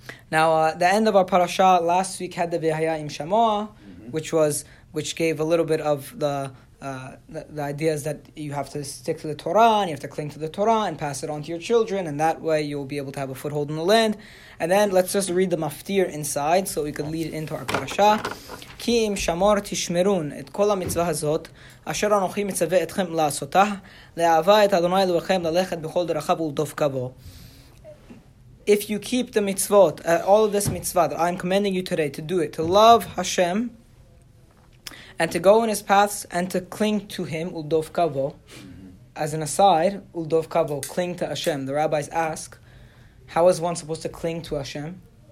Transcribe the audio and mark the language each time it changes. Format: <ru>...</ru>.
<en>Now, the end of our parasha last week had the Vehaya im Shamoa, which gave a little bit of the ideas that you have to stick to the Torah and you have to cling to the Torah and pass it on to your children, and that way you will be able to have a foothold in the land. And then let's just read the maftir inside so we could lead it into our parasha.</en> <he>כי אם שמור תשמרון את כל המצווה הזאת, אשר אנוכי מצווה אתכם לעשותה, לאהבה את אדוני אלוהיכם ללכת בכל דרכיו ולדבקה בו.</he> <en>If you keep the mitzvot, all of this mitzvah that I'm commanding you today to do it, to love Hashem, and to go in His paths, and to cling to Him,</en> <he>ולדבקה בו,</he> <en>as an aside, ולדבקה בו, cling to Hashem. The rabbis ask, how is one supposed to cling to Hashem?</en>